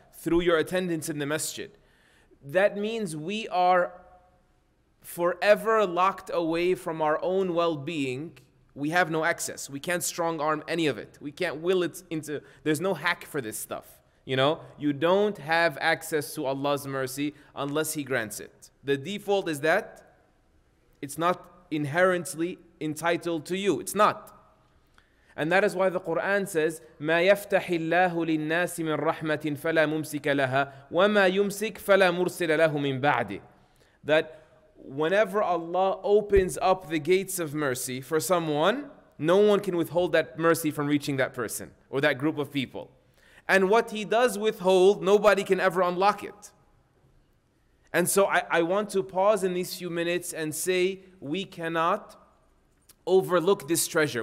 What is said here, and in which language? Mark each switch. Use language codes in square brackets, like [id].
[en] Through your attendance in the masjid. That means we are forever locked away from our own well-being. We have no access. We can't strong arm any of it. We can't will it into, there's no hack for this stuff. You know, you don't have access to Allah's mercy unless he grants it. The default is that it's not inherently entitled to you. It's not. [ar] And that is why the Quran says, مَا يَفْتَحِ اللَّهُ لِلنَّاسِ مِنْ رَحْمَةٍ فَلَا مُمْسِكَ لَهَا وَمَا يُمْسِكْ فَلَا مُرْسِلَ لَهُ مِنْ بَعْدِ. [en] That whenever Allah opens up the gates of mercy for someone, no one can withhold that mercy from reaching that person or that group of people. And what he does withhold, nobody can ever unlock it. And so I want to pause in these few minutes and say, we cannot overlook this treasure.